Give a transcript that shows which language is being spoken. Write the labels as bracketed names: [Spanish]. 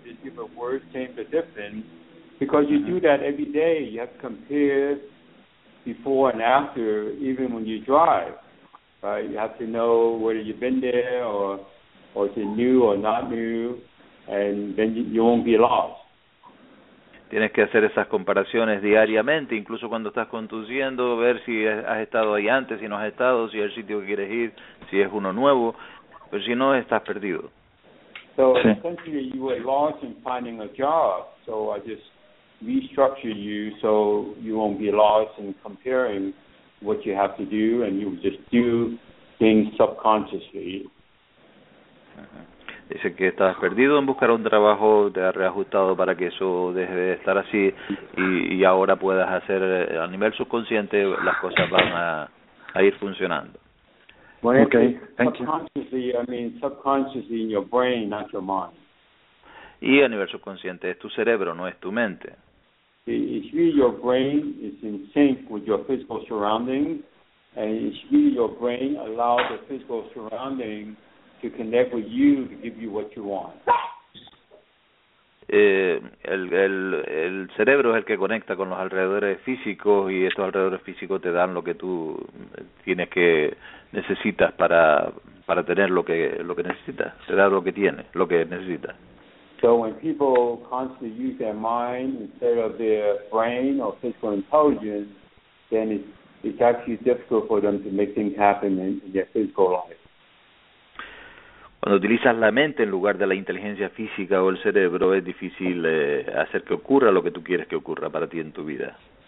[English] Just different words, same but different. Because you do that every day. You have to compare before and after, even when you drive. Right? You have to know whether you've been there or is it new or not new, and then you won't be lost. [Spanish] Tienes que hacer esas comparaciones diariamente, incluso cuando estás conduciendo, ver si has estado ahí antes, si no has estado, si es el sitio que quieres ir, si es uno nuevo, pero si no, estás perdido. [English] So, essentially, you were lost in finding a job, so I just restructured you so you won't be lost in comparing what you have to do, and you just do things subconsciously. [Spanish] Dice que estabas perdido en buscar un trabajo, te has reajustado para que eso deje de estar así y ahora puedas hacer a nivel subconsciente las cosas van a ir funcionando. [English] Well, okay, thank you. Subconsciously in your brain, not your mind. [Spanish] Y a nivel subconsciente es tu cerebro, no es tu mente. [English] It's really your brain is in sync with your physical surrounding, and it's really your brain allows the physical surrounding to connect with you to give you what you want. [Spanish] El cerebro es el que conecta con los alrededores físicos y estos alrededores físicos te dan lo que tú tienes que necesitas para tener lo que necesitas. Te da lo que tienes, lo que necesitas. [English] So when people constantly use their mind instead of their brain or physical intelligence, then it's actually difficult for them to make things happen in their physical life. [Spanish] Cuando utilizas la mente en lugar de la inteligencia física o el cerebro, es difícil hacer que ocurra lo que tú quieres que ocurra para ti en tu vida.